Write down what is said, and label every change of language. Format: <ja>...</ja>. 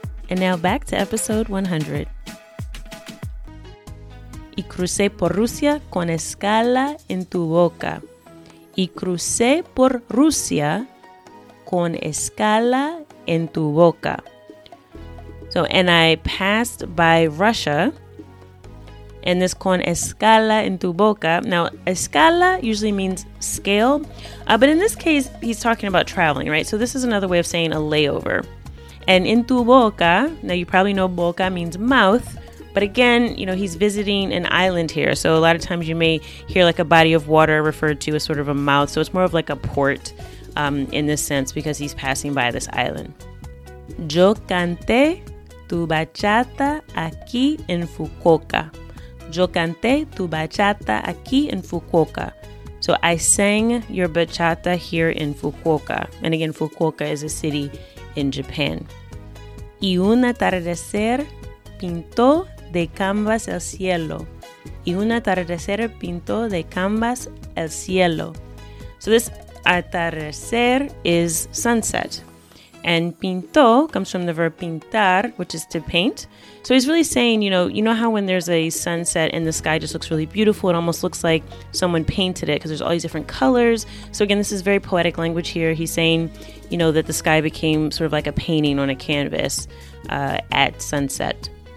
<en>And now back to episode 100.</en> <es>Y crucé por Rusia con escala en tu boca. Y crucé por Rusia con escala en tu boca.</es> <en>So, and I passed by Russia. And this</en> <es>con escala en tu boca.</es> <en>Now, escala usually means scale. But in this case, he's talking about traveling, right? So this is another way of saying a layover. And en tu boca, now you probably know boca means mouth. But again, you know, he's visiting an island here. So a lot of times you may hear like a body of water referred to as sort of a mouth. So it's more of like a port in this sense because he's passing by this island.</en> <es>Yo canté tu bachata aquí en Fukuoka. Yo canté tu bachata aquí en Fukuoka.</es> <en>So I sang your bachata here in Fukuoka. And again, Fukuoka is a city in Japan.</en> <es>Y un atardecer pintó de canvas el cielo. Y un atardecer pintó de canvas el cielo.</es> <en>So this atardecer is sunset. And pintó comes from the verb pintar, which is to paint. So he's really saying, you know how when there's a sunset and the sky just looks really beautiful, it almost looks like someone painted it because there's all these different colors. So again, this is very poetic language here. He's saying, you know, that the sky became sort of like a painting on a canvas at sunset.</en>